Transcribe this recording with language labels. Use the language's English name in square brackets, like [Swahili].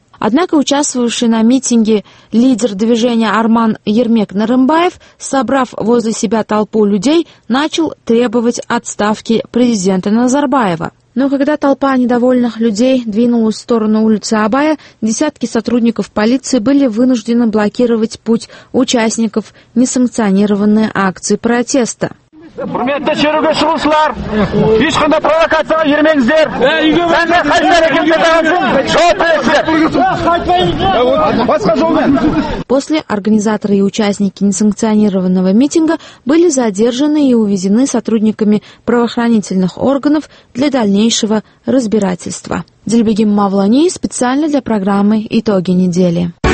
[Russian] Однако участвовавший на митинге лидер движения Арман Ермек Нарымбаев, собрав возле себя толпу людей, начал требовать отставки президента Назарбаева. Но когда толпа недовольных людей двинулась в сторону улицы Абая, десятки сотрудников полиции были вынуждены блокировать путь участников несанкционированной акции протеста. [Kazakh] Құрметті шеруге шығушылар, ешқандай провокацияға ермеңіздер. Сәнде қайтар екенде дағансың, жауап бересіздер. [Russian] После организаторы и участники несанкционированного митинга были задержаны и увезены сотрудниками правоохранительных органов для дальнейшего разбирательства. Дилбегим Мавлани специально для программы «Итоги недели».